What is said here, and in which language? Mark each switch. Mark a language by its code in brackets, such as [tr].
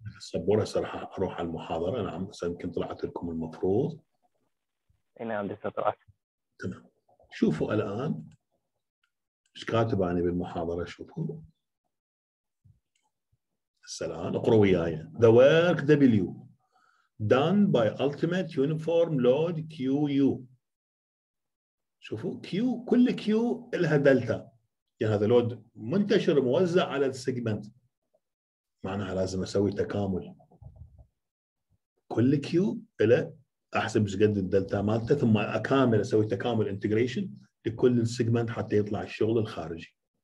[ar] السبورة صراحة أروح على المحاضرة. نعم بس يمكن طلعت لكم المفروض. نعم دكتور طلعت. تمام شوفوا الآن إيش كاتب عني بالمحاضرة. شوفوا السلام، اقرأوا وياي. [en] The work W done by ultimate uniform load QU. [ar] شوفوا كيو، كل كيو لها دلتا، يعني هذا لود منتشر موزع على السيجمنت، معناها لازم اسوي تكامل. كل كيو الى احسب قد الدلتا مالته، ثم اكامل اسوي تكامل انتجريشن لكل السيجمنت حتى يطلع الشغل الخارجي.